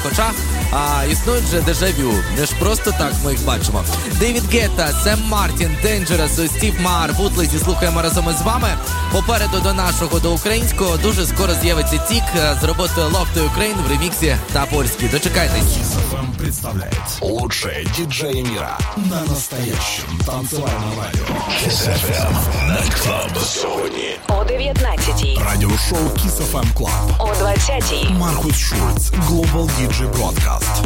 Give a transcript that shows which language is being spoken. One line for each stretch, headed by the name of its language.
Ukrainian: Хоча існують же дежавю, не ж просто так ми їх бачимо. Девід Гетта, Сем Мартін, Денджерас, Стів Маар, Бутлезі, слухаємо разом із вами. Попереду до нашого, до українського, дуже скоро з'явиться тік з роботи Love to Ukraine в реміксі та польській. Дочекайтесь.
Russian: Вам представляють лучше диджеи мира на настоящем танцевальном радио.
Ukrainian: Kiss FM Nightclub сьогодні. О 19-й. Радіошоу Kiss FM Club. О 20-й. Маркус Шульц, Global DJ Broadcast.